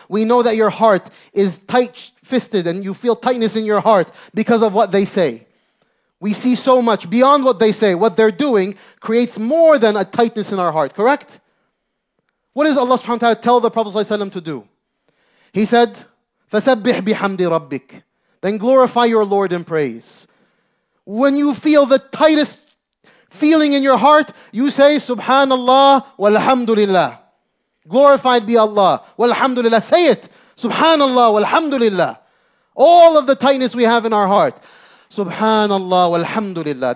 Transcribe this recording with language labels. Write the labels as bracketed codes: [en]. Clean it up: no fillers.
[en] We know that your heart is tight-fisted and you feel tightness in your heart because of what they say. We see so much beyond what they say. What they're doing creates more than a tightness in our heart, correct? What does Allah subhanahu wa ta'ala tell the Prophet ﷺ to do? He said, [ar] فَسَبِّحْ بِحَمْدِ رَبِّكَ. [en] Then glorify your Lord in praise. When you feel the tightest feeling in your heart, you say, Subhanallah, walhamdulillah. Glorified be Allah, walhamdulillah. Say it, Subhanallah, walhamdulillah. All of the tightness we have in our heart. Subhanallah, walhamdulillah.